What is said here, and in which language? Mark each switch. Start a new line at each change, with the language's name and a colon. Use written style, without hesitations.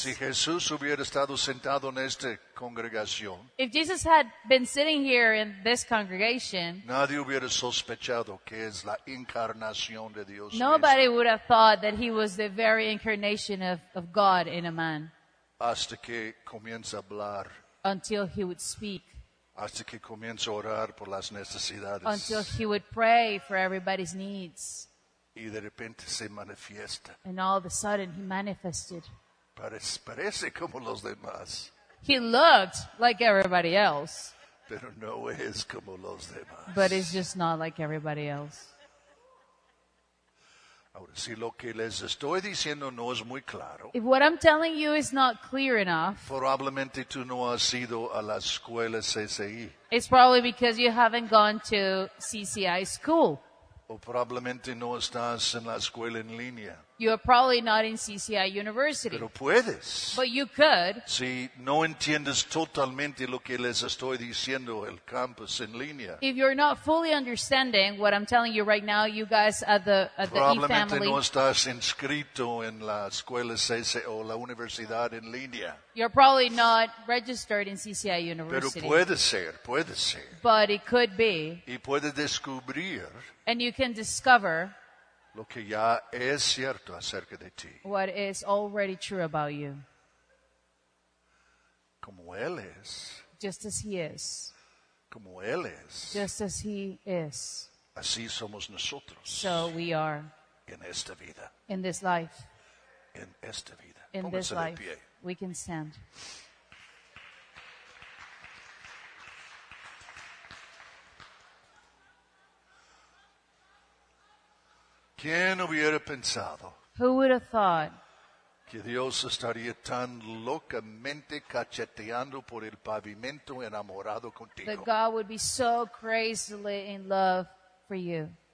Spanish: Si Jesús hubiera estado sentado en esta congregación,
English: if Jesus had been sitting here in this congregation,
Spanish: nadie hubiera sospechado que es la encarnación de Dios.
English: Nobody would have thought that he was the very incarnation of God in a man.
Spanish: Hasta que comienza a hablar.
English: Until he would speak.
Spanish: Hasta que comienza a orar por las necesidades.
English: Until he would pray for everybody's needs.
Spanish: Y de repente se manifiesta.
English: And all of a sudden he manifested.
Spanish: Parece como los demás.
English: He looked like everybody else.
Spanish: Pero no es como los demás.
English: But it's just not like everybody else.
Spanish: Ahora, si lo que les estoy diciendo no es muy claro,
English: if what I'm telling you is not clear enough,
Spanish: probablemente tú no has ido a la escuela CCI.
English: It's probably because you haven't gone to CCI school.
Spanish: O probablemente no estás en la escuela en línea.
English: You are probably not in CCI University.
Spanish: Pero puedes.
English: But you could.
Spanish: Si no entiendes totalmente lo que les estoy diciendo, el campus en línea.
English: If you're not fully understanding what I'm telling you right now, you guys at the e-family.
Spanish: Probablemente no estás inscrito en la escuela CCI o la universidad en línea.
English: You're probably not registered in CCI University.
Spanish: Pero puede ser, puede ser.
English: But it could be.
Spanish: Y puede descubrir.
English: And you can discover.
Spanish: Lo que ya es cierto acerca de ti.
English: What is already true about you.
Spanish: Como él es.
English: Just as he is.
Spanish: Como él es.
English: Just as he is.
Spanish: Así somos nosotros.
English: So we are.
Spanish: En esta vida.
English: In this life.
Spanish: En esta vida.
English: In
Spanish: Póngase
English: this life.
Spanish: Pie.
English: We can stand.
Spanish: ¿Quién hubiera pensado?
English: Who would have thought?
Spanish: Que Dios estaría tan locamente cacheteando por el pavimento enamorado contigo.
English: That God would be so crazily in love for you.